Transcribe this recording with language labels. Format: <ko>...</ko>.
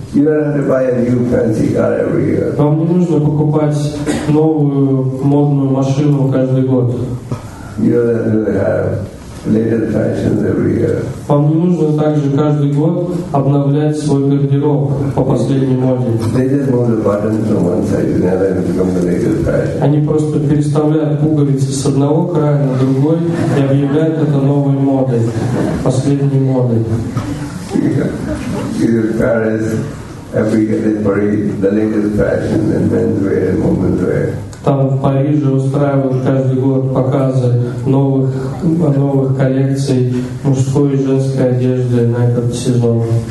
<en>You don't have to buy a new fancy car every year.</en> <ru>Вам не нужно покупать новую модную машину каждый год.</ru> <en>You don't have to have latest fashions every year.</en> <ru>Вам не нужно также каждый год обновлять свой гардероб по последней моде.</ru> <en>They just move the buttons from one side and then it becomes the latest fashion.</en> <ru>Они просто переставляют пуговицы с одного края на другой и объявляют это новой модой, последней модой.</ru> <en>Yeah. In Paris, every year they parade the latest fashion in menswear and womenswear.</en> <ru>Там в Париже устраивают каждый год показы новых коллекций мужской и женской одежды на этот сезон.</ru>